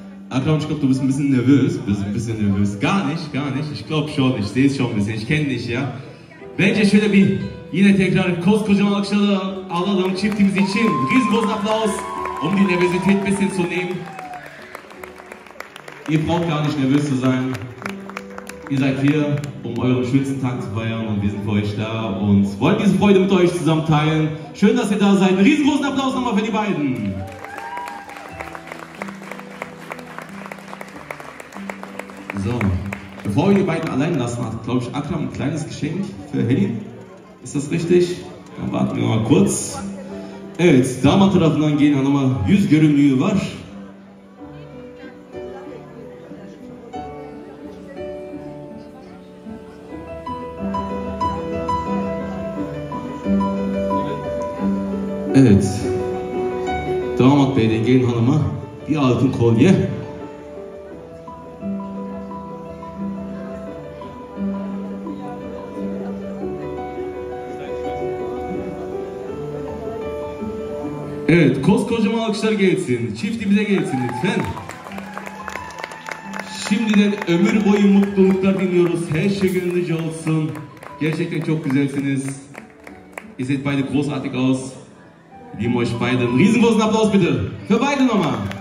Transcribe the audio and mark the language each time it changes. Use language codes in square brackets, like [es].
[de] Akram, ich glaube, du bist ein bisschen nervös. Gar nicht. Ich glaube schon, ich sehe es schon ein bisschen. Ich kenne dich, ja. [tr] Bence şöyle bir yine tekrar koskocaman alkışları alalım çiftimiz için. [de] Riesengroßen Applaus, um die Nervosität ein bisschen zu nehmen. Ihr braucht gar nicht nervös zu sein. Ihr seid hier, um euren schönsten Tag zu feiern und wir sind für euch da und wollen diese Freude mit euch zusammen teilen. Schön, dass ihr da seid. Riesengroßen Applaus nochmal für die beiden. So. Bevor wir die beiden allein lassen, hat, glaube ich, Akram ein kleines Geschenk für Helin. Ist das richtig? Dann warten wir mal kurz. [tr] Evet, damat tarafından gelen hanıma yüz görünlüğü var. Evet. Damat beyden gelen hanıma bir altın kolye. Evet, koskocaman alkışlar gelsin, çiftimize gelsin lütfen. Şimdiden ömür boyu mutluluklar diliyoruz, her şey gönlünüzce olsun. Gerçekten çok güzelsiniz. [de] Ihr seht beide großartig aus. Lieben euch beiden, riesengroßen Applaus bitte, für beide nochmal.